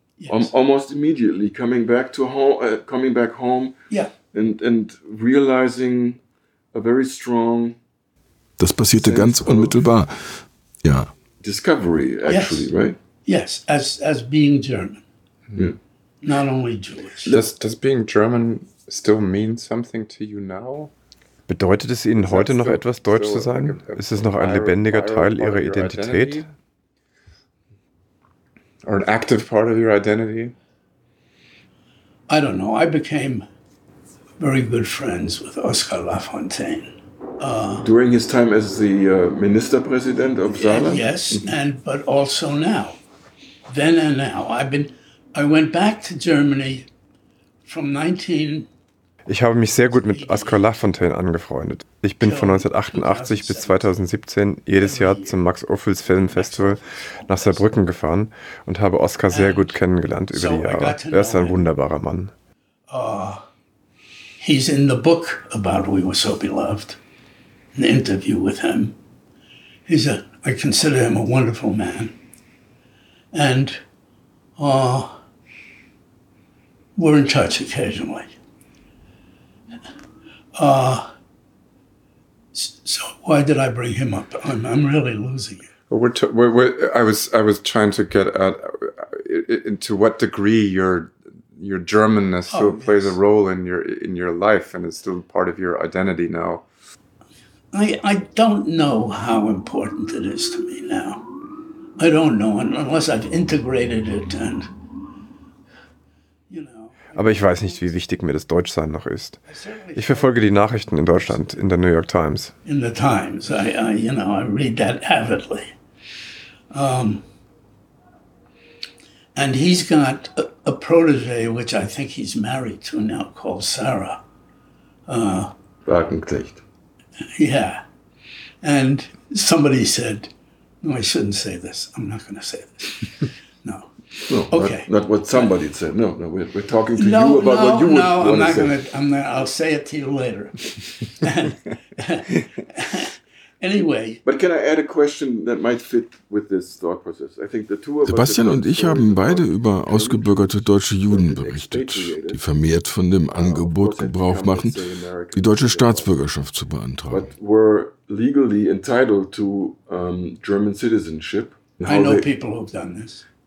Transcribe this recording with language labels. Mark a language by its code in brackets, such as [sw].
[en] Almost immediately, coming back home and realizing a very strong. [de] Das passierte ganz unmittelbar. Ja. [en] Discovery, actually, yes. Right? Yes, as being German. Yeah. Not only Jewish. Does being German still mean something to you now? [de] Bedeutet es Ihnen heute noch etwas, Deutsch zu sein? Ist es noch ein lebendiger Teil Ihrer Identität? [en] Or an active part of your identity? I don't know. I became very good friends with Oscar Lafontaine. During his time as the Ministerpräsident of Saarland? Yes, and but also now. Then and now. I went back to Germany from 19... [de] Ich habe mich sehr gut mit Oskar Lafontaine angefreundet. Ich bin von 1988 bis 2017 jedes Jahr zum Max-Ophüls-Filmfestival nach Saarbrücken gefahren und habe Oskar sehr gut kennengelernt über die Jahre. Er ist ein wunderbarer Mann. [en] He's in the book about We Were So Beloved. An interview with him. I consider him a wonderful man. And we're in touch occasionally. So why did I bring him up? I'm really losing it. I was trying to get at into what degree your Germanness still plays a role in your life and is still part of your identity now. I don't know how important it is to me now. I don't know unless I've integrated it and. [de] Aber ich weiß nicht, wie wichtig mir das Deutschsein noch ist. Ich verfolge die Nachrichten in Deutschland in der New York Times. [en] In the Times, I read that avidly. And he's got a protege, which I think he's married to now, called Sarah. Wagenknecht. Yeah, and somebody said, "No, I shouldn't say this. I'm not going to say this." Not what somebody said. No, we're talking to you about what you would want to say. I'll say it to you later. Anyway. But can I add a question that might fit with this thought process? I think the two of us. [de] Sebastian und ich haben beide über ausgebürgerte deutsche Juden berichtet, die vermehrt von dem Angebot Gebrauch machen, die deutsche Staatsbürgerschaft zu beantragen. [en] But were legally entitled to German citizenship. I know people who've done this.